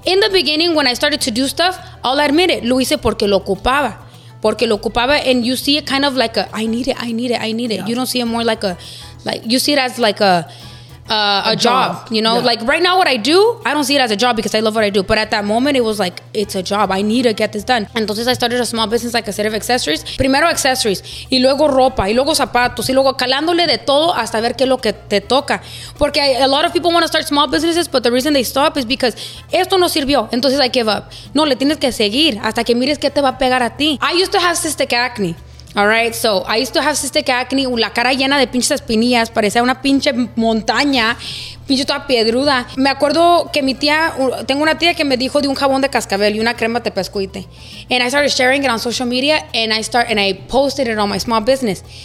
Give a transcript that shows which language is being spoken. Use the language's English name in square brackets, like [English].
[English] In the beginning, when I started to do stuff, I'll admit it, [Spanish] lo hice porque lo ocupaba. Porque lo ocupaba, [English] and you see it kind of like a, I need it. Yeah. You don't see it more like a, like you see it as like a job, you know? Yeah. Like right now what I do, I don't see it as a job because I love what I do. But at that moment, it was like, it's a job. I need to get this done. Entonces, I started a small business, like a set of accessories. [Spanish] Primero accessories, y luego ropa, y luego zapatos, y luego calándole de todo hasta ver qué es lo que te toca. [English] Porque a lot of people want to start small businesses, but the reason they stop is because [Spanish] esto no sirvió. Entonces, [English] I give up. [Spanish] No, le tienes que seguir hasta que mires qué te va a pegar a ti. [English] I used to have cystic acne. All right, so I used to have cystic acne, [Spanish] la cara llena de pinches espinillas, parecía una pinche montaña, pinche toda piedruda. Me acuerdo que mi tía, tengo una tía que me dijo de un jabón de cascabel y una crema de pescuite. [English] And I started sharing it on social media and I posted it on my small business.